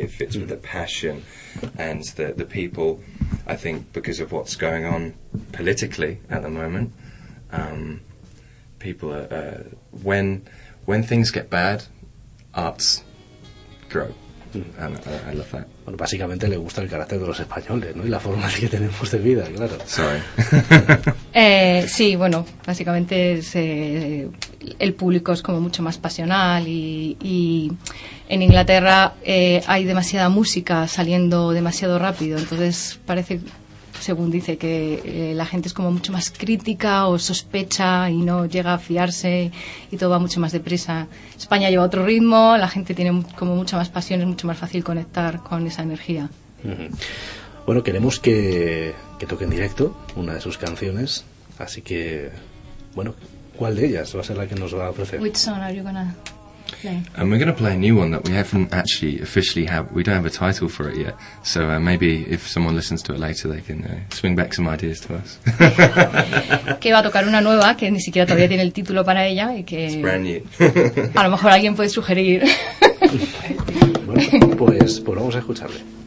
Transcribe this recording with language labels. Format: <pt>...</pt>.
<en>It fits with the passion. And the people, I think, because of what's going on politically at the moment, people are... When things get bad, arts grow. I love that.</en> <es>Bueno, básicamente le gusta el carácter de los españoles, ¿no? Y la forma que tenemos de vida, claro.</es> <en>Sorry.</en> <es>sí, bueno, básicamente es... el público es como mucho más pasional y en Inglaterra hay demasiada música saliendo demasiado rápido, entonces parece, según dice, que la gente es como mucho más crítica o sospecha y no llega a fiarse y todo va mucho más deprisa. España lleva otro ritmo, la gente tiene como mucha más pasión, es mucho más fácil conectar con esa energía. Mm-hmm. Bueno, queremos que toque en directo una de sus canciones, así que, bueno... ¿Cuál de ellas va a ser la que nos va a ofrecer?</es> <en>Which song are you gonna play? And we're gonna play a new one that we haven't actually officially have. We don't have a title for it yet. So maybe if someone listens to it later, they can swing back some ideas to us.</en> <es>Que va a tocar una nueva que ni siquiera todavía tiene el título para ella y que.</es> <en>It's brand new.</en> <es>A lo mejor alguien puede sugerir. Bueno, pues vamos a escucharle.</es>